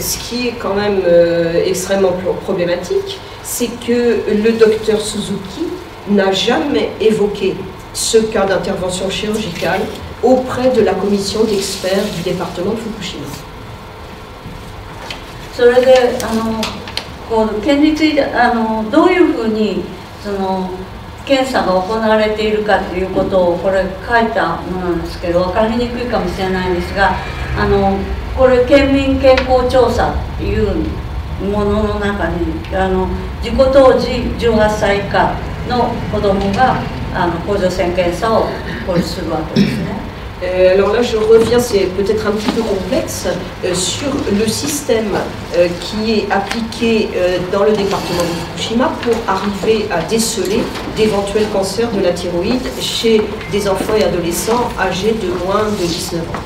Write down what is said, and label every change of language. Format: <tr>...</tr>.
<fr>Alors, ce qui est quand même extrêmement problématique, c'est que le docteur Suzuki n'a jamais évoqué ce cas d'intervention chirurgicale auprès de la commission d'experts du département de Fukushima.</fr> <ja>それで、県立医大、どういうふうにその検査が行われているかということをこれ書いたものなんですけど、分かりにくいかもしれないんですが、これ県民健康調査っていうものの中に、事故当時18歳以下の子どもが甲状腺検査をこれするわけですね。</ja> <fr>Alors là, je reviens, c'est peut-être un petit peu complexe, sur le système qui est appliqué dans le département de Fukushima pour arriver à déceler d'éventuels cancers de la thyroïde chez des enfants et adolescents âgés de moins de 19 ans.</fr>